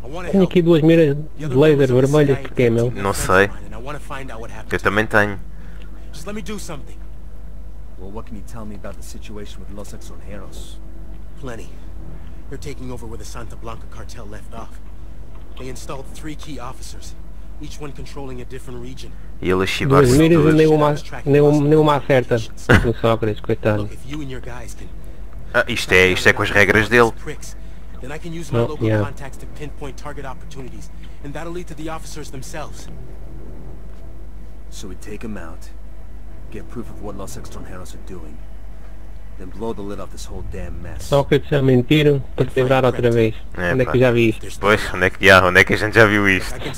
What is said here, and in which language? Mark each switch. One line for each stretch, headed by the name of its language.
Portuguese: Tenho aqui duas miras de laser vermelhas, porque é, meu? Não sei. Eu também tenho.
English: Let me do something. Well, what can you tell me about the situation with Los Exoneros? Plenty. They're taking over where the Santa Blanca cartel left off. They installed 3 key officers, each one controlling a different region.
Portuguese: E eles chibaram-se todos. Duas miras e nenhuma acerta no Sócrates, coitado. Ah, isto é com as regras dele.
English: Then I can use my local contacts to pinpoint target opportunities, and that'll lead to the officers themselves. So we take them out. Get proof of what Los Extranjeros are doing. Then blow the lid off this whole damn mess.
Portuguese: Só que eles já mentiram para quebrar outra vez. Onde é que eu já vi isto? Pois, onde é que a gente já viu isto?